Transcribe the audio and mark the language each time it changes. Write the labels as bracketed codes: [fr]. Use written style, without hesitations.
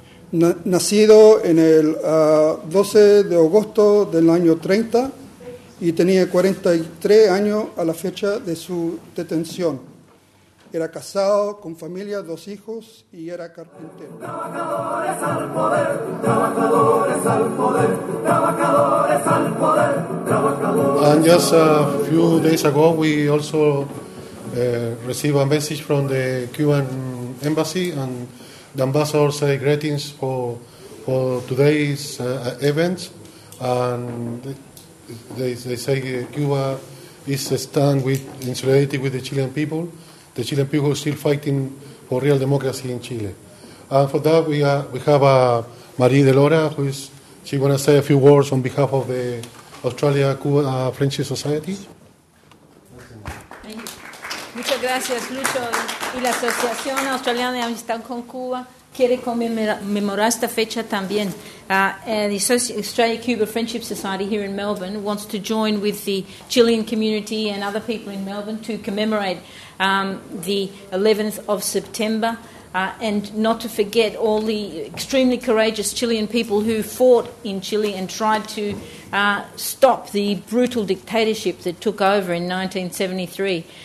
[es] Nacido en el 12 de agosto del año 30 y tenía 43 años a la fecha de su detención. Era casado, con familia, dos hijos y era carpintero. Trabajadores al poder, trabajadores al poder, trabajadores al poder, trabajadores al poder. [en] And just a few days ago we also received a message from the Cuban embassy, and the ambassador say greetings for today's event, and they say Cuba is stand with in solidarity with the Chilean people still fighting for real democracy in Chile. And for that we have Marie Delora, who is she going to say a few words on behalf of the Australia Cuba Friendship Society. [es] Muchas gracias, Lucho. Y la Asociación Australiana de Amistad con Cuba quiere conmemorar esta fecha también. [en] The Australia-Cuba Friendship Society here in Melbourne wants to join with the Chilean community and other people in Melbourne to commemorate the 11th of September and not to forget all the extremely courageous Chilean people who fought in Chile and tried to stop the brutal dictatorship that took over in 1973.